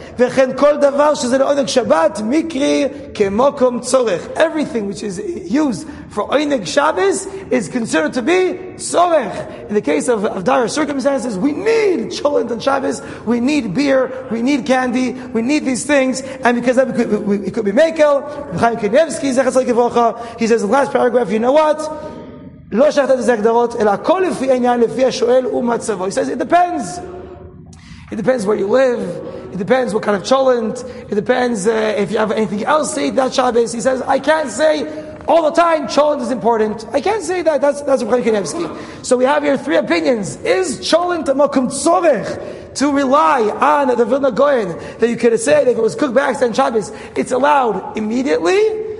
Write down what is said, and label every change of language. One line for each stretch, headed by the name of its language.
Hebrew: וכן כל דבר שזה לעונג שבת מקרי כמוקום צורך.
English: Everything which is used for עונג Shabbos is considered to be צורך. In the case of dire circumstances, we need cholent on Shabbos, we need beer, we need candy, we need these things, and because that it could be Mekel, Chaim Kanievsky,
Hebrew: זכר צדיק לברכה,
English: he says in the last paragraph, you know what?
Hebrew: לא שייך לזה הגדרות, אלא הכל לפי עניין, לפי השואל ומצבו.
English: He says, it depends. It depends where you live. It depends what kind of cholent. It depends if you have anything else to eat that Shabbos. He says, I can't say all the time cholent is important. I can't say that. That's Reb Chaim Kanievsky. So we have here three opinions. Is cholent a makom tzorech to rely on the Vilna Goyen that you could have said if it was cooked back on Shabbos, it's allowed immediately?